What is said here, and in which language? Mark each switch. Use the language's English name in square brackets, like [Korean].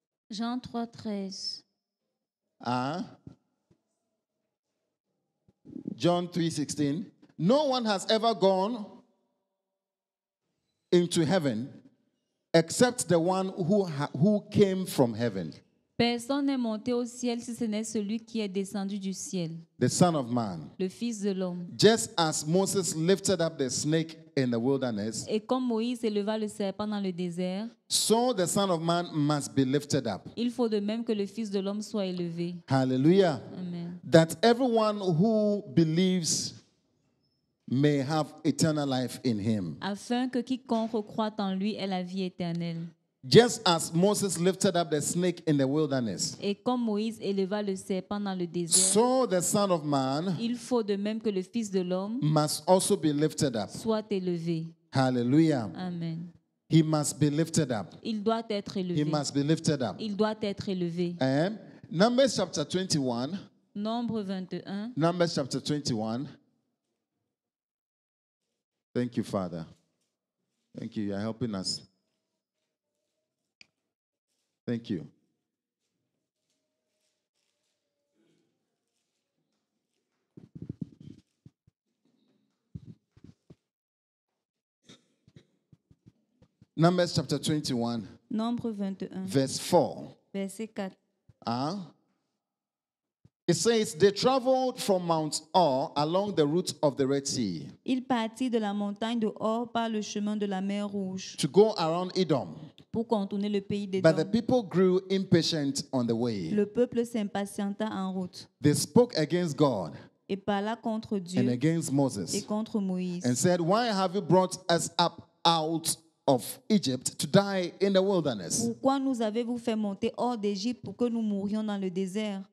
[French] Jean 3, 13. [English] John 3, 16. No one has ever gone into heaven except the one who came from heaven. [French] Personne n'est monté au ciel si ce n'est celui qui est descendu du ciel. [English] The Son of Man. [French] Le Fils de l'homme. [English] Just as Moses lifted up the snake in the wilderness. [French] Et comme Moïse éleva le serpent dans le désert. [English] So the Son of Man must be lifted up. [French] Il faut de même que le Fils de l'homme soit élevé. Hallelujah. Amen. [English] That everyone who believes may have eternal life in him. [French] Afin que quiconque croit en lui ait la vie éternelle. [English] Just as Moses lifted up the snake in the wilderness. [French] Et comme Moïse éleva le serpent dans le désert. [English] So the Son of Man. [French] Il faut de même que le Fils de l'homme. [English] Must also be lifted up. [French] Soit élevé. Hallelujah. Amen. [English] He must be lifted up. [French] Il doit être élevé. [English] He must be lifted up. [French] Il doit être élevé. [English] Numbers chapter 21. [French] Nombre 21. [English] Numbers chapter 21. Thank you, Father. Thank you. You are helping us. Thank you. Numbers chapter 21. [French] Nombre 21. [English] Verse 4. [French] Verset 4. [English] It says, they traveled from Mount Or along the route of the Red Sea. [French] Il partit de la montagne de Or par le chemin de la mer Rouge. [English] To go around Edom. [French] Pour contourner le pays d'Edom. [English] But the people grew impatient on the way. [French] Le peuple s'impatienta en route. [English] They spoke against God. [French] Et parla contre Dieu. [English] And against Moses. [French] Et contre Moïse. [English] And said, why have you brought us up out of Egypt to die in the wilderness? [French] Pourquoi nous avez-vous fait monter hors d'Égypte pour que nous mourions dans le désert?